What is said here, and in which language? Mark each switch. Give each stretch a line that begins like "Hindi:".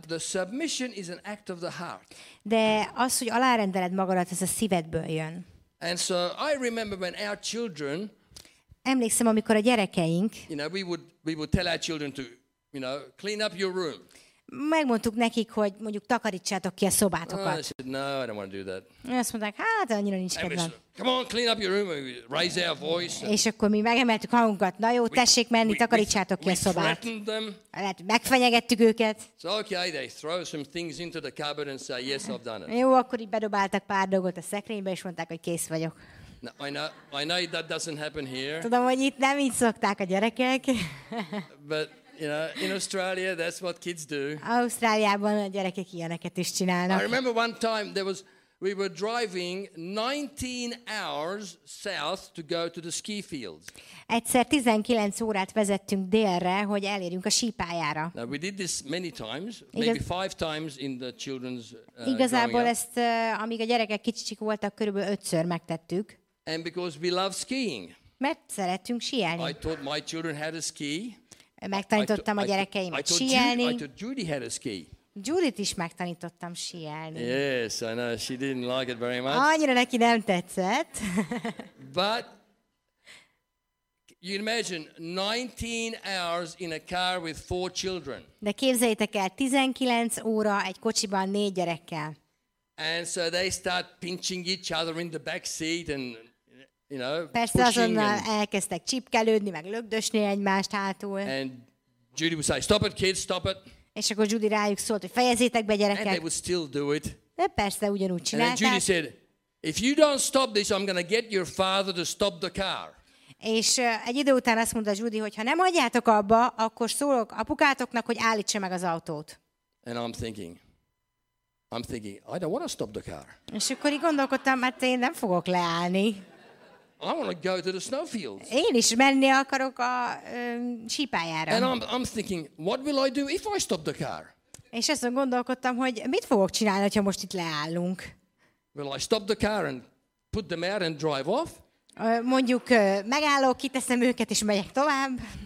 English: The submission is an act of the heart.
Hungarian: De az, hogy alárendeled magadat, ez a szívedből jön.
English: And so I remember when our children,
Hungarian: emlékszem, amikor a gyerekeink,
English: we would tell our children to, clean up your room.
Hungarian: Megmondtuk nekik, hogy mondjuk takarítsátok ki a szobátokat.
English: Oh, I said, no, I don't want to do that.
Hungarian: Azt mondták, hát annyira nincs kedvem.
English: Come on, clean up your room, raise our voice.
Hungarian: És akkor mi megemeltük hangunkat, na jó, tessék menni, takarítsátok ki a szobát.
English: We threatened them.
Hungarian: Lehet, megfenyegettük őket.
English: So, okay, they throw some things into the cupboard and say, yes, I've done it.
Hungarian: Jó, akkor így bedobáltak pár dolgot a szekrénybe, és mondták, hogy kész vagyok.
English: No, I know that doesn't happen here.
Hungarian: Tudom, hogy itt nem így szokták a gyerekek.
English: But in Australia, that's what kids do.
Hungarian: Ausztráliában a gyerekek ilyeneket is csinálnak.
English: I remember one time we were driving 19 hours south to go to the ski fields.
Hungarian: Egyszer 19 órát vezettünk délre, hogy elérjünk a sípályára.
English: Now we did this many times, maybe 5 times in the children's.
Hungarian: Igazából ezt, amíg a gyerekek kicsik voltak, körülbelül 5-ször megtettük.
English: And because we love skiing.
Hungarian: Mert szeretünk síelni.
English: I taught my children how to ski.
Hungarian: Megtanítottam a gyerekeimet síelni.
English: Judy had a ski.
Hungarian: Judith is megtanítottam síelni.
English: Yes, I know, she didn't like it very much.
Hungarian: Annyira neki nem tetszett.
English: But you imagine 19 hours in a car with 4 children.
Hungarian: De képzeljétek el, 19 óra egy kocsiban 4 gyerekkel.
English: And so they start pinching each other in the back seat and
Hungarian: persze azonnal elkezdtek csipkelődni, meg lögdösni egymást hátul.
English: And Judy would say, stop it, kids, stop it.
Hungarian: És akkor Judy rájuk szólt, hogy fejezzétek be, gyerekek.
English: And they would still do it.
Hungarian: De persze ugyanúgy csinálták.
English: And Judy said, if you don't stop this, I'm going to get your father to stop the car.
Hungarian: És egy idő után azt mondta Judy, hogy ha nem hagyjátok abba, akkor szólok apukátoknak, hogy állítsa meg az autót.
English: And I'm thinking, I don't want to stop the car.
Hungarian: És akkor így gondolkodtam, mert én nem fogok leállni.
English: I want to go to the snowfields.
Hungarian: Én is menni akarok a sípályára.
English: And I'm thinking, what will I do if I stop the car?
Hungarian: És azon gondolkodtam, hogy mit fogok csinálni, ha most itt leállunk?
English: Will I stop the car and put them out and drive off?
Hungarian: Mondjuk megállok, kiteszem őket és megyek tovább.